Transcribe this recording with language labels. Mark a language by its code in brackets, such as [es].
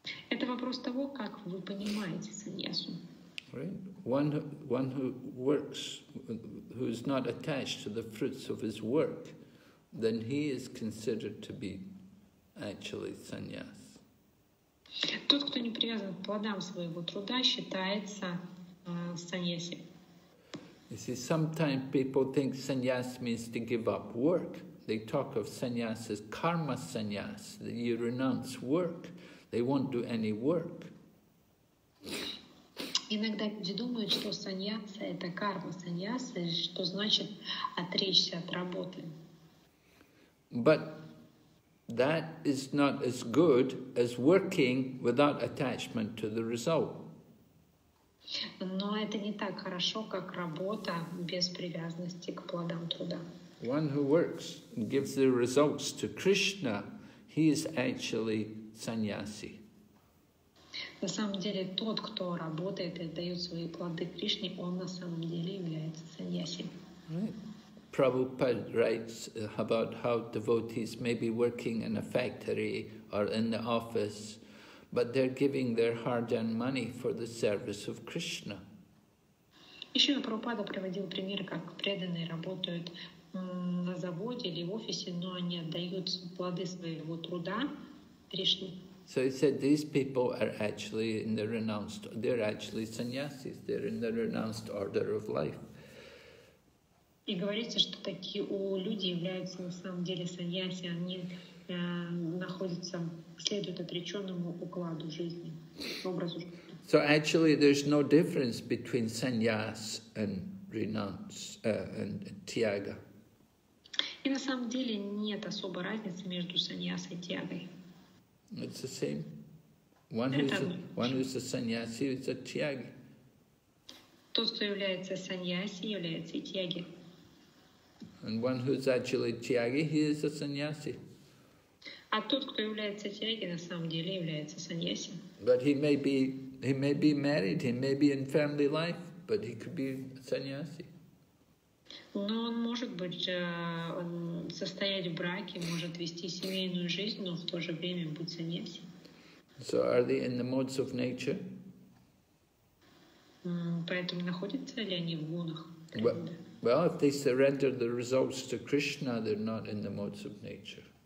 [ru] Это вопрос того, как вы понимаете sannyasu. [en] Right. One who works, who is not attached to the fruits of his work, then he is considered to be actually sannyas. [ru] Тот, кто не привязан к плодам своего труда, считается саньяси. [en] You see, sometimes people think sannyas means to give up work. They talk of sannyas as karma sannyas, that you renounce work. They won't do any work. [ru] Иногда люди думают, что саньяса – это карма саньяса, что значит отречься от работы. [en] But that is not as good as working without attachment to the result. [ru] Но это не так хорошо, как работа без привязанности к плодам труда. [en] One who works and gives the results to Krishna, he is actually sannyasi. [ru] На самом деле, тот, кто работает и дает свои плоды Кришне, он на самом деле является саньяси. [en] Prabhupada writes about how devotees may be working in a factory or in the office, but they're giving their hard-earned money for the service of Krishna. [ru] Ещё Прабхупада приводил пример, как преданные работают на заводе или в офисе, но они отдают плоды своего труда Кришне. [en] So he said these people are actually in the renounced, they're actually sannyasis, they're in the renounced order of life. [ru] И говорится, что такие у людей являются на самом деле саньяси, они находятся, следуют отреченному укладу жизни, образу жизни. [en] So actually there's no difference between sannyas and renounce and tyaga. [ru] И на самом деле нет особой разницы между саньяс и тягой. [en] It's the same. One who's a sannyasi is a tyagi. [ru] Тот, кто является саньяси, является и тяги. [en] And one who's actually tyagi, he is a sannyasi. [ru] А тот, кто является тяги, на самом деле является саньяси. [en] But he may be married, he may be in family life, but he could be a sannyasi. [ru] Но он может быть состоять в браке, может вести семейную жизнь, но в то же время быть саньяси. [en] So are they in the modes of nature? [ru] Поэтому находятся ли они в гунах? [en] Well, if they surrender the results to Krishna, they're not in the modes of nature.